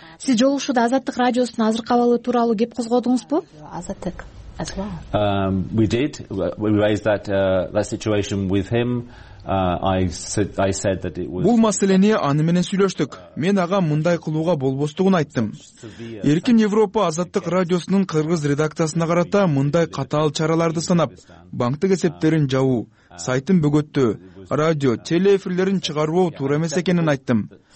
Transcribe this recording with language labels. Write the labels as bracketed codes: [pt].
[ky] Сиз жолугушууда Азаттык радиосунун азыркы абалы тууралуу кеп козгодуңузбу? Азаттык. [en] We did. We raised that situation with him. I said that it was [ky] Бул маселени аны менен сүйлөштүк. Мен ага мындай кылууга болбостугун айттым. Эркин Европа Азаттык радиосунун кыргыз редакциясына карата мындай катаал чараларды санап, банктык эсептерин жабуу, сайтын бөгөттөө, радио, телеэфирлерин чыгарбоо туура эмес экенин айттым.